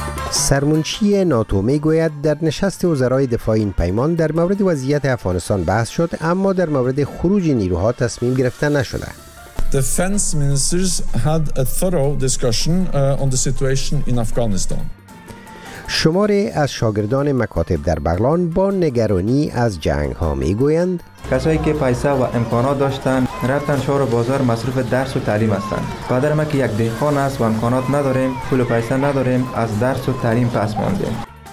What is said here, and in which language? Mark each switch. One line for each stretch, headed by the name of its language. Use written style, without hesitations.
Persian: سرمنشی ناتو میگوید در نشست وزرای دفاع این پیمان در مورد وضعیت افغانستان بحث شد، اما در مورد خروج نیروها تصمیم گرفته نشده.
English: Defense ministers had a thorough discussion on the situation in Afghanistan.
Persian: شماره از شاگردان مکاتب در بغلان با نگرانی از جنگ ها میگویند کسایی که پیسه و امکانات داشتند رفتن شهر و بازار مصروف درس و تعلیم هستند. پدرم که یک دهقان است و امکانات نداریم، پول و پیسه نداریم، از درس و تعلیم پس ماندیم.